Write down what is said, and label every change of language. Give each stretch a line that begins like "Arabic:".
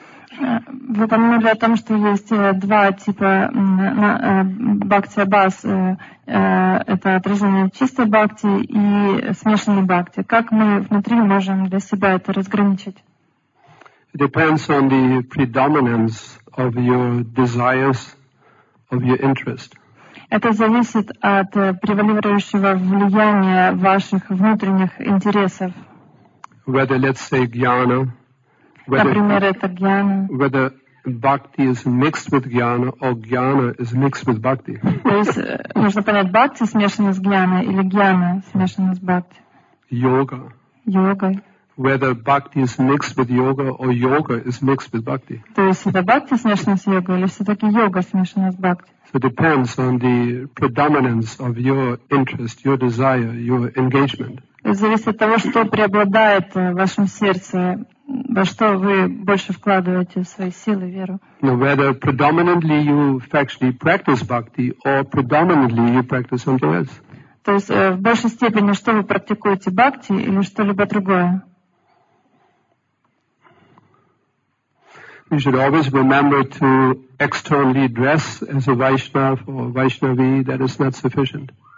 Russian: Вы упомянули о том, что есть два типа бхакти абас. Это отражение чистой бхакти и смешанной бхакти. Как мы внутри можем для себя это разграничить?
English: It depends on the predominance of your desires, of your interest.
Russian: Это зависит от превалирующего влияния ваших внутренних интересов.
English: Whether, let's say, jnana,
Russian: Например, это гьяна.
English: Whether bhakti is mixed with jnana or jnana is mixed with bhakti.
Russian: То есть нужно понять, бхакти смешана с гьяной или гьяна смешана с бхакти. Йога. Йога.
English: Whether bhakti is mixed with yoga or yoga is mixed with bhakti.
Russian: То есть это бхакти смешана с йогой или все-таки йога смешана с бхакти.
English: So it depends on the predominance of your interest, your desire, your engagement.
Russian: Зависит от того, что преобладает в вашем сердце. Во что вы больше вкладываете свои силы, веру?
English: Whether predominantly you actually practice bhakti or predominantly you practice something else.
Russian: То есть в большей степени что вы практикуете, бхакти или что-либо другое?
English: You should always remember to externally dress as a Vaishnav or Vaishnavi. That is not sufficient.